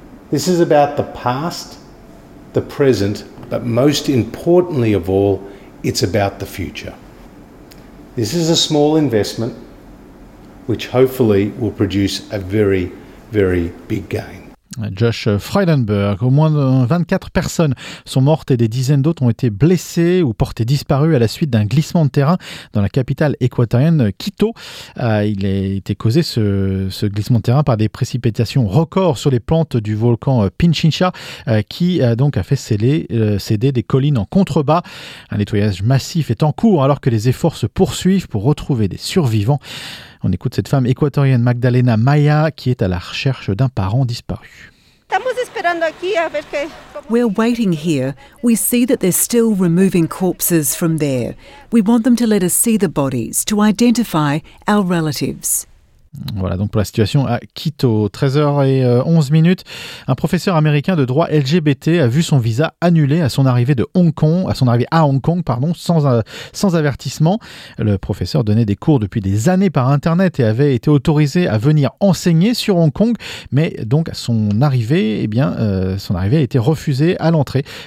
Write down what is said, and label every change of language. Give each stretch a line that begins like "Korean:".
English: This is about the past, the present, but most importantly of all, it's about the future. This is a small investment which hopefully will produce a very, very big gain. Josh Frydenberg.
French: Au moins 24 personnes sont mortes et des dizaines d'autres ont été blessées ou portées disparues à la suite d'un glissement de terrain dans la capitale équatorienne Quito. Il a été causé ce glissement de terrain par des précipitations records sur les plantes du volcan Pichincha qui donc a fait céder des collines en contrebas. Un nettoyage massif est en cours alors que les efforts se poursuivent pour retrouver des survivants. On écoute cette femme équatorienne, Magdalena Maya, qui est à la recherche d'un parent disparu.
English: We're waiting here. We see that they're still removing corpses from there. We want them to let us see the bodies, to identify our relatives.
French: Voilà donc pour la situation à Quito. 13h11, un professeur américain de droit LGBT a vu son visa annulé à son arrivée à Hong Kong, sans avertissement. Le professeur donnait des cours depuis des années par internet et avait été autorisé à venir enseigner sur Hong Kong, mais donc à son arrivée a été refusée à l'entrée.